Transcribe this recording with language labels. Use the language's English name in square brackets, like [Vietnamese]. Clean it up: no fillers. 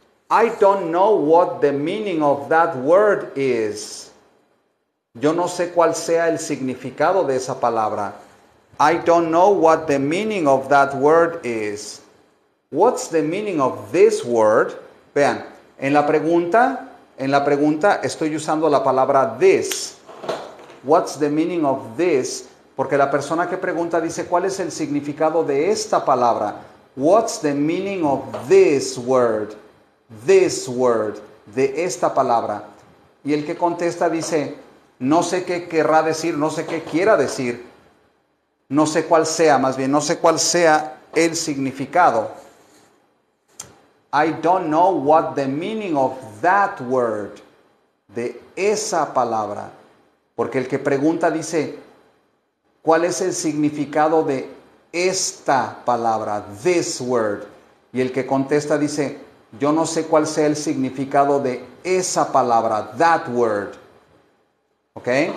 [English] I don't know what the meaning of that word is. [Spanish] Yo no sé cuál sea el significado de esa palabra. [English] I don't know what the meaning of that word is. What's the meaning of this word? [Spanish] Vean, en la pregunta estoy usando la palabra this. [English] What's the meaning of this? [Spanish] Porque la persona que pregunta dice, ¿cuál es el significado de esta palabra? [English] What's the meaning of this word? This word, [Spanish] de esta palabra. Y el que contesta dice, no sé qué querrá decir, no sé qué quiera decir. No sé cuál sea, más bien, no sé cuál sea el significado. [English] I don't know what the meaning of that word, [Spanish] de esa palabra. Porque el que pregunta dice, ¿cuál es el significado de esta palabra, this word? Y el que contesta dice, yo no sé cuál sea el significado de esa palabra, that word. ¿Ok?